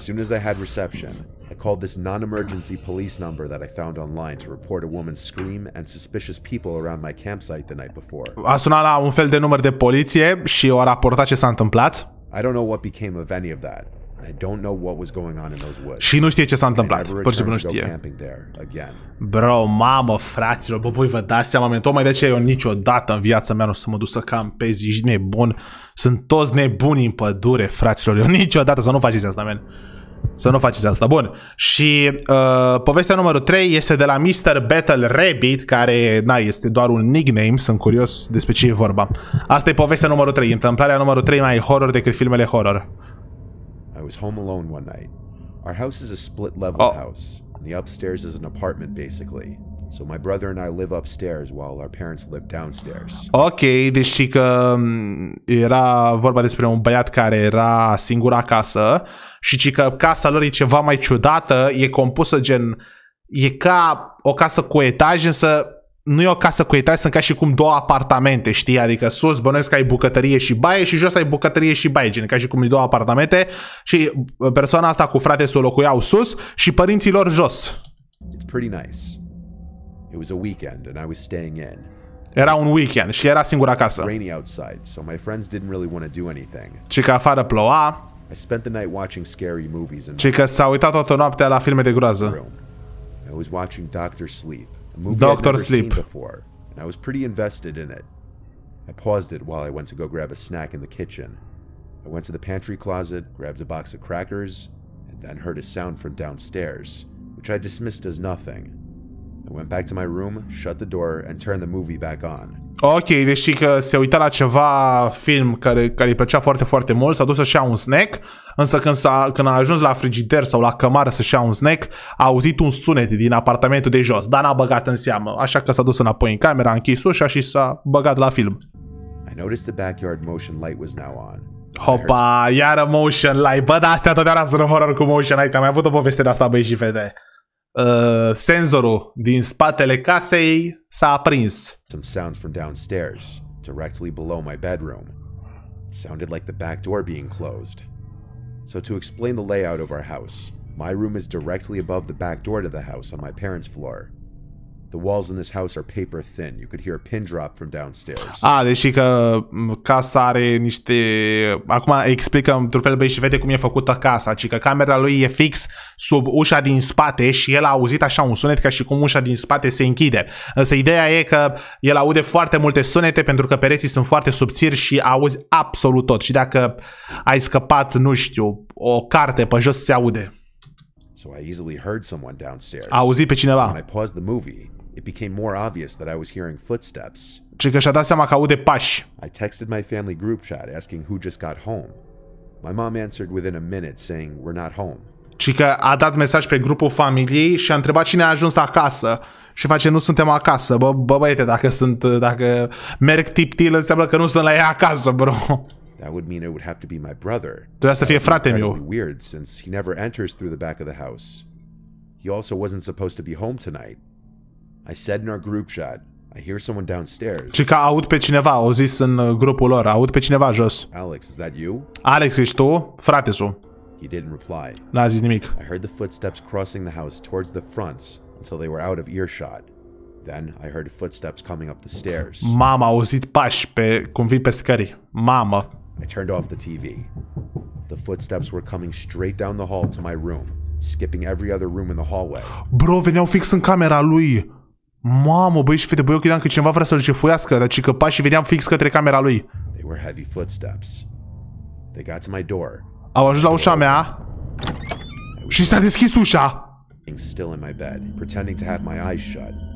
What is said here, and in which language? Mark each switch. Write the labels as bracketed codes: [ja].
[en] As soon as I had reception, I called this non-emergency police number that I found online to report a woman's scream and suspicious people around my campsite the night before. [ro] A sunat la un fel de număr de poliție și o a raportat ce s-a întâmplat. [en] I don't know what became of any of that. I don't know what was going on in those woods. [ro] Și nu știe ce s-a întâmplat. Pur și simplu nu știe. Bro, mamă, fraților, bă, voi vă dați seama, mentor, mai de ce eu niciodată în viața mea nu o să mă duc să campez, ești nebun. Sunt toți nebuni în pădure, fraților. Eu niciodată să nu faceți asta, man. Să nu faceți asta. Bun. Și povestea numărul 3 este de la Mr. Battle Rabbit, care, na, este doar un nickname, sunt curios despre ce e vorba. Asta e povestea numărul 3. Întâmplarea numărul 3 mai horror decât filmele horror. [en] I was home alone one night. Our house is a split level house, and the upstairs is an apartment basically. So my brother and I live upstairs while our parents live downstairs. [ro] Ok, deci că era vorba despre un băiat care era singur acasă și ci că casa lor e ceva mai ciudată, e compusă gen, e ca o casă cu etaj, însă nu e o casă cu etaj, sunt ca și cum două apartamente, știi? Adică sus bănuiesc că ai bucătărie și baie și jos ai bucătărie și baie, gen ca și cum e două apartamente și persoana asta cu frate s-o locuiau sus și părinții lor jos. [en] It's pretty nice. It was a weekend and I was staying in. [ro] Era un weekend și era singur acasă. [en] Rainy outside, so my friends didn't really want to do anything. [ro] Și că afară ploua. [en] I spent the night watching scary movies and [ro] și că s-a uitat toată noaptea la filme de groază. [en] I was watching Doctor Sleep. A movie Doctor I'd never Sleep. Seen before, and I was pretty invested in it. I paused it while I went to go grab a snack in the kitchen. I went to the pantry closet, grabbed a box of crackers, and then heard a sound from downstairs, which I dismissed as nothing. I went back to my room, shut the door, and turned the movie back on. [ro] Ok, deci că se uita la ceva film care îi plăcea foarte, foarte mult, s-a dus să-și ia un snack, însă când a ajuns la frigider sau la cămară să-și ia un snack, a auzit un sunet din apartamentul de jos, dar n-a băgat în seamă, așa că s-a dus înapoi în camera, a închis ușa și s-a băgat la film. [en] I noticed the backyard motion light was now on. [ro] Hopa, iară motion light, bă, dar astea totdeauna sunt horror cu motion light, am mai avut o poveste de asta, băi și fete. Senzorul din spatele casei s-a aprins. [en] Some sounds from downstairs, directly below my bedroom. It sounded like the back door being closed. So to explain the layout of our house, my room is directly above the back door to the house on my parents' floor. The walls in this house are paper thin. You could hear a pin drop from downstairs. [ro] Ah, deci că casa are niște... Acum explicăm într-un fel, băi, și vede cum e făcută casa. Ci că camera lui e fix sub ușa din spate și el a auzit așa un sunet ca și cum ușa din spate se închide. Însă ideea e că el aude foarte multe sunete pentru că pereții sunt foarte subțiri și auzi absolut tot. Și dacă ai scăpat, nu știu, o carte pe jos, se aude. [en] So I easily heard someone downstairs. [ro] Auzi pe cineva. [en] When I paused the movie, it became more obvious that I was hearing footsteps. [ro] Ci că și-a dat seama că aude pași. [en] I texted my family group chat asking who just got home. My mom answered within a minute saying we're not home. [ro] Ci că a dat mesaj pe grupul familiei și a întrebat cine a ajuns acasă. Și face nu suntem acasă. Bă, băiete, dacă merg tip-til înseamnă că nu sunt la ea acasă, bro. [en] That would mean it would have to be my brother. [ro] Trebuia să fie frate meu. [en] Weird, since he never enters through the back of the house. He also wasn't supposed to be home tonight. I said in our group chat, I hear someone downstairs. [ro] Cică aud pe cineva, au zis în grupul lor, aud pe cineva jos. [en] Alex, is that you? [ro] Alex, ești tu? Frate-su. [en] He didn't reply. [ro] N-a zis nimic. [en] I heard the footsteps crossing the house towards the front until they were out of earshot. Then I heard footsteps coming up the stairs. [ro] Mama a auzit pași pe cum vin pe scări. Mama. [en] I turned off the TV. The footsteps were coming straight down the hall to my room, skipping every other room in the hallway. [ro] Bro, veneau fix în camera lui. Mamă, băi, și fete, băi, eu credeam că cineva vrea să-l jefuiască, dar ci că pașii veneam fix către camera lui. [en] They were heavy footsteps. They got to my door. [ro] Au ajuns la ușa mea. Și s-a deschis ușa. [en] Still in my bed, pretending to have my eyes shut.